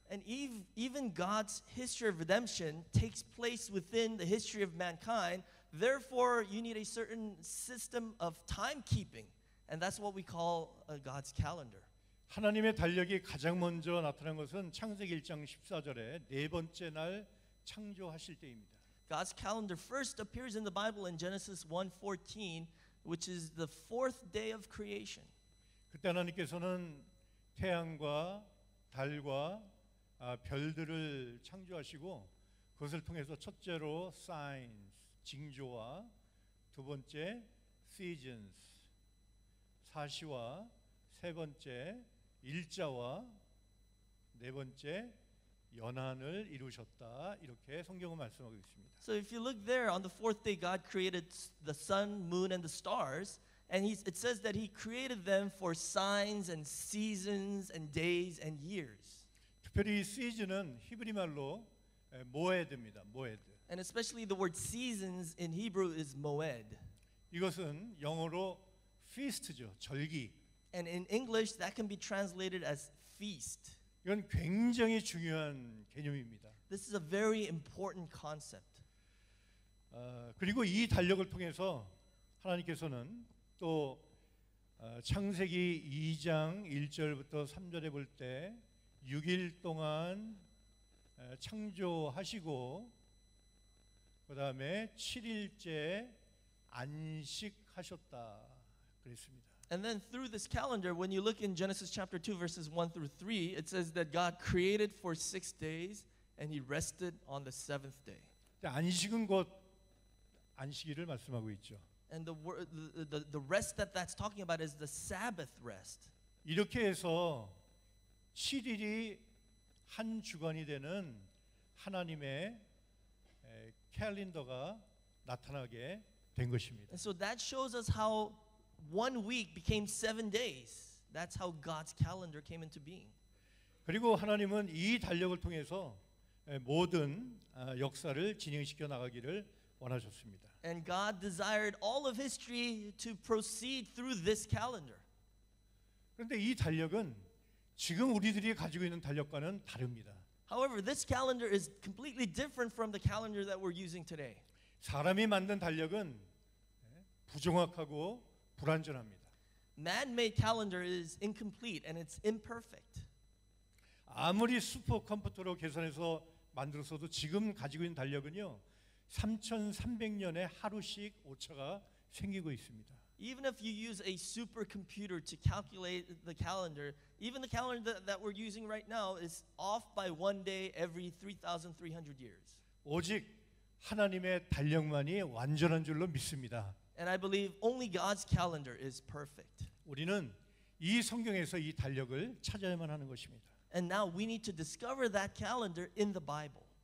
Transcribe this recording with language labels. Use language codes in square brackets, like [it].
[en] And even God's history of redemption takes place within the history of mankind. Therefore, you need a certain system of timekeeping, and that's what we call God's calendar. [ko] 하나님의 달력이 가장 먼저 나타난 것은 창세기 1장 14절에 네 번째 날 창조하실 때입니다. [en] God's calendar first appears in the Bible in Genesis 1:14. Which is the fourth day of creation. [ko] 그때 하나님께서는 태양과 달과 별들을 창조하시고 그것을 통해서 첫째로 signs, 징조와 두 번째 seasons, 사시와 세 번째 일자와 네 번째 연안을 이루셨다 이렇게 성경은 말씀하고 있습니다. [en] So if you look there on the fourth day, God created the sun, moon, and the stars, and it says that He created them for signs and seasons and days and years. [ko] 특별히 season은 히브리 말로 모에드입니다. 모에드. [en] And especially the word seasons in Hebrew is moed. [ko] 이것은 영어로 feast죠, 절기. [en] And in English, that can be translated as feast. [ko] 이건 굉장히 중요한 개념입니다. [en] This is a very important concept. [ko] 그리고 이 달력을 통해서 하나님께서는 또 창세기 2장 1절부터 3절에 볼 때 6일 동안 창조하시고 그 다음에 7일째 안식하셨다 그랬습니다. [en] And then through this calendar, when you look in Genesis chapter 2, verses 1 through 3, it says that God created for 6 days, and He rested on the seventh day. [ko] 안식은 곧 안식일을 말씀하고 있죠. [en] And the rest that's talking about is the Sabbath rest. [ko] 이렇게 해서 7일이 한 주간이 되는 하나님의 캘린더가 나타나게 된 것입니다. [en] And so that shows us how one week became 7 days. That's how God's calendar came into being. [ko] 그리고 하나님은 이 달력을 통해서 모든 역사를 진행시켜 나가기를 원하셨습니다. [en] And God desired all of history to proceed through this calendar. [ko] 그런데 이 달력은 지금 우리들이 가지고 있는 달력과는 다릅니다. [en] However, this calendar is completely different from the calendar that we're using today. [ko] 사람이 만든 달력은 부정확하고 불완전합니다. [en] Man-made calendar is incomplete and it's imperfect. [ko] 아무리 슈퍼 컴퓨터로 계산해서 만들어서도 지금 가지고 있는 달력은요, 3,300년에 하루씩 오차가 생기고 있습니다. [en] Even if you use a supercomputer to calculate the calendar, even the calendar that we're using right now is off by one day every 3,300 years. [ko] 오직 하나님의 달력만이 완전한 줄로 믿습니다. [en] And I believe only God's calendar is perfect. [ko] 우리는 이 성경에서 이 달력을 찾아야만 하는 것입니다. [en] And now we need to discover that calendar in the Bible.